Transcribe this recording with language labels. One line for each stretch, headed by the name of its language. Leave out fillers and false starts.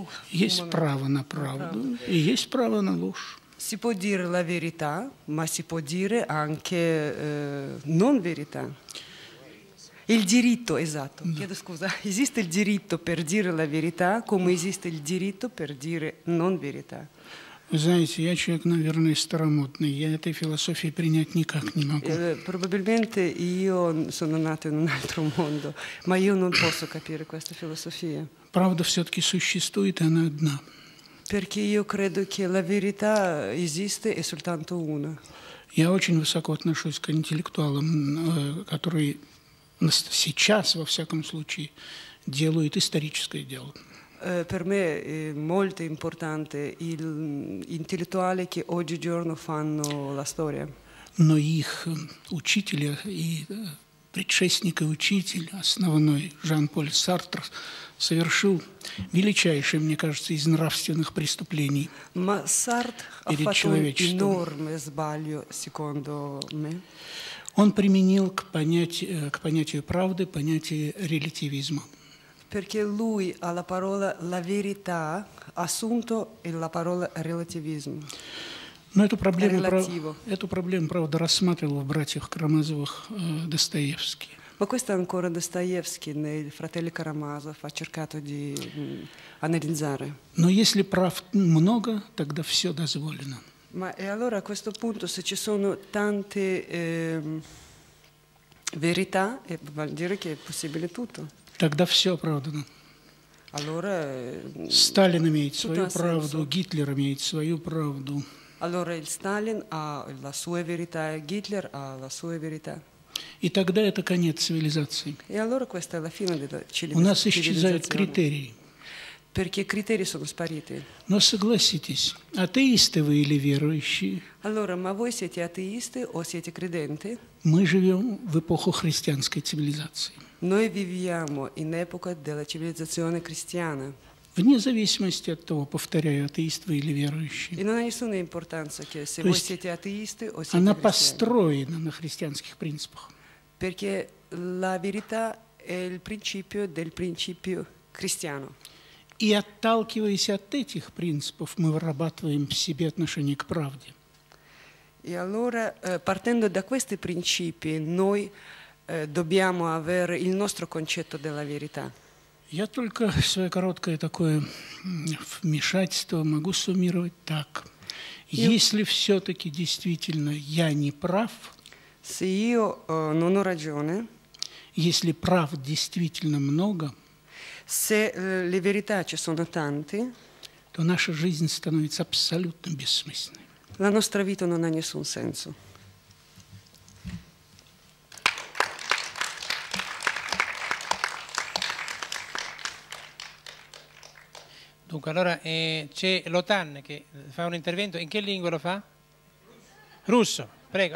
Russian: Есть право на правду и есть право на ложь.
Italian: Si può dire la verità, ma si può dire anche non verità. Il diritto, esatto, no. Chiedo scusa, esiste il diritto per dire la verità come esiste il diritto per dire non verità.
Russian: Знаете, я человек, наверное, старомодный. Я этой философии принять никак не могу.
Italian: Probabilmente io sono nato in un altro mondo, ma io non posso capire questa filosofia.
Russian: Правда все-таки существует, и она одна.
Italian: Perché io credo che la verità esiste e soltanto una.
Russian: Я очень высоко отношусь к интеллектуалам, которые сейчас, во всяком случае, делают историческое дело.
Italian: Per me è molto importante il intellettuale che oggigiorno fanno la storia.
Russian: Но их учителя и предшественник и учитель основной Жан-Поль Сартр совершил величайшее, мне кажется, из нравственных преступлений.
Italian: Ma Sartre ha fatto un enorme sbaglio, secondo me.
Russian: Он применил к понятию правды понятие релятивизма.
Italian: Perché lui ha la parola la verità assunto e la parola relativismo.
Russian: Но эту проблему, правда, рассматривал в «Братьях Карамазовых» Достоевский.
Italian: Ma questo ancora Достоевский nei «Fratelli Карамазов» ha cercato di analizzare.
Russian: Но если прав много, тогда все дозволено.
Italian: Ma e allora a questo punto se ci sono tante verità, vuol dire che è possibile tutto.
Russian: Тогда все оправдано.
Italian: Allora,
Russian: Сталин имеет свою правду, Гитлер имеет свою правду.
Italian: Allora, il Stalin ha la sua verità, Hitler ha la sua verità.
Russian: И тогда это конец цивилизации.
Italian: E allora questa è la fine della civilizzazione.
Russian: У нас исчезают критерии.
Italian: Perché i criteri sono spariti.
Russian: Но согласитесь, атеисты вы или верующие?
Italian: Allora, ma voi siete ateisti o siete credenti?
Russian: Мы живем в эпоху христианской цивилизации.
Italian: Noi viviamo in epoca della civilizzazione cristiana.
Russian: Вне зависимости от того, повторяю, атеист вы или верующий. И на нанесенной
Italian: importanza che se voi siete ateisti o siete
Russian: она
Italian: cristiani.
Russian: Построена на христианских принципах.
Italian: Perché la verità è il principio del principio cristiano.
Russian: И отталкиваясь от этих принципов, мы вырабатываем в себе отношение к правде.
Italian: И allora, partendo da questi principi, noi dobbiamo avere il nostro concetto della verità.
Russian: Я только свое короткое такое вмешательство могу суммировать так. Если все-таки действительно я не прав,
Italian: se io non ho ragione,
Russian: если прав действительно много,
Italian: se le verità ci sono tante,
Russian: то наша жизнь становится абсолютно бессмысленной.
Italian: La nostra vita non ha nessun senso. Dunque, allora c'è Lotan che fa un intervento. In che lingua lo fa? Russo. Prego.